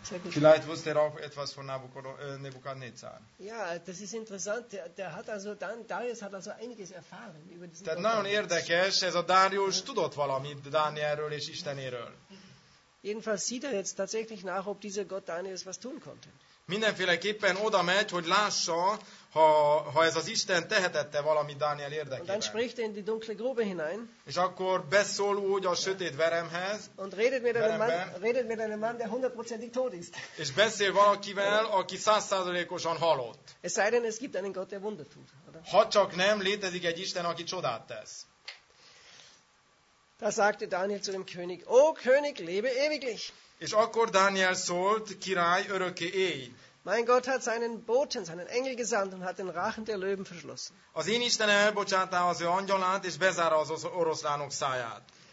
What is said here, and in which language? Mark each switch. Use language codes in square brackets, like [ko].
[de] Vielleicht wusste er auch etwas von Nebukadnezar. Ja, das ist interessant. Darius hat also einiges erfahren über diesen. [hu] Tehát nagyon érdekes, ez a Darius tudott valamit Dánielről és Istenéről. [de] Jedenfalls sieht er jetzt tatsächlich nach, ob dieser Gott Daniels was tun konnte. [hu] Mindenféleképpen oda megy, hogy lássa, ha ez az Isten tehetette valami Dániel érdekében. [de] Dann spricht er in die dunkle Grube hinein. [hu] És akkor beszól úgy a sötét veremhez. [de] Und redet mit einem Mann, der 100%ig tot ist. [hu] És beszél valakivel, aki 100%-osan halott. [de] Es sei denn, es gibt einen Gott, der Wunder tut, oder? [hu] Ha csak nem, létezik egy Isten, aki csodát tesz. [de] Da sagte Daniel zu dem König: O König, lebe ewiglich. [hu] És akkor Daniel szólt: Király, örökké élj. [de] Mein Gott hat seinen Boten, seinen Engel gesandt und hat den Rachen der Löwen verschlossen. [hu] Az én Isten elbocsátá az ő angyalát és bezárta az oroszlánok száját.